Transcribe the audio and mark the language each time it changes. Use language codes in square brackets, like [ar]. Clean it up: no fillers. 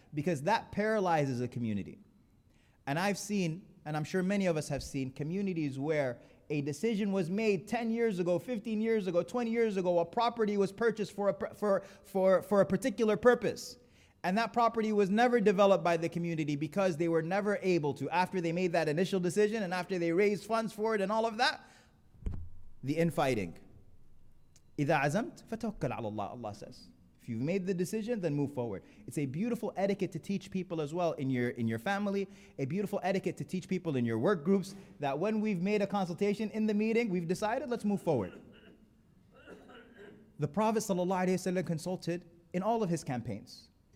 [en] Because that paralyzes a community. And I've seen, and I'm sure many of us have seen, communities where a decision was made 10 years ago, 15 years ago, 20 years ago, a property was purchased for a particular purpose. And that property was never developed by the community because they were never able to. After they made that initial decision and after they raised funds for it and all of that, the infighting. [ar] إذا عزمت فتوكل على الله, [en] Allah says. If you've made the decision, then move forward. It's a beautiful etiquette to teach people as well in your family, a beautiful etiquette to teach people in your work groups, that when we've made a consultation in the meeting, we've decided, let's move forward. The Prophet sallallahu alayhi wa sallam consulted in all of his campaigns.